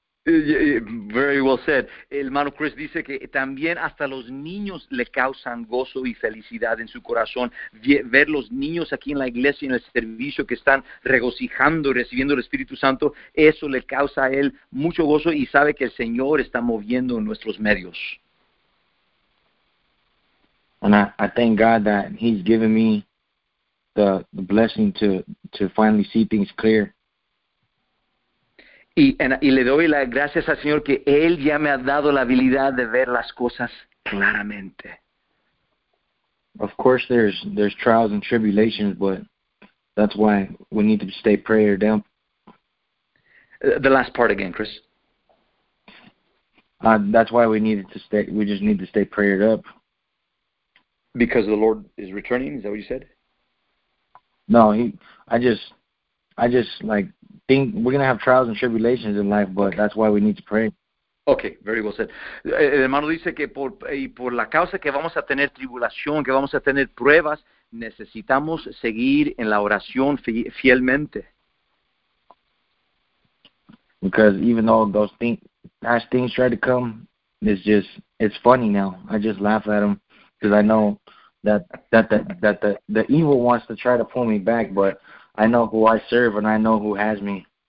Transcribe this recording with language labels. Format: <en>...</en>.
<en>Very well said.</en> <es>El hermano Chris dice que también hasta los niños le causan gozo y felicidad en su corazón. Ver los niños aquí en la iglesia, en el servicio, que están regocijando y recibiendo el Espíritu Santo, eso le causa a él mucho gozo y sabe que el Señor está moviendo en nuestros medios.</es> <en>And I thank God that he's given me the blessing to finally see things clear.</en> <es>Y le doy las gracias al Señor que Él ya me ha dado la habilidad de ver las cosas claramente.</es> <en>Of course there's trials and tribulations, but that's why we need to stay prayer down. The last part again, Chris. That's why we just need to stay prayer up. Because the Lord is returning, is that what you said? No, I think we're going to have trials and tribulations in life, but that's why we need to pray. Okay, very well said.</en> <es>El hermano dice que por la causa que vamos a tener tribulación, que vamos a tener pruebas, necesitamos seguir en la oración fielmente.</es> <en>Because even though those things try to come, it's funny now. I just laugh at them because I know that the evil wants to try to pull me back, but I know who I serve and I know who has me.</en>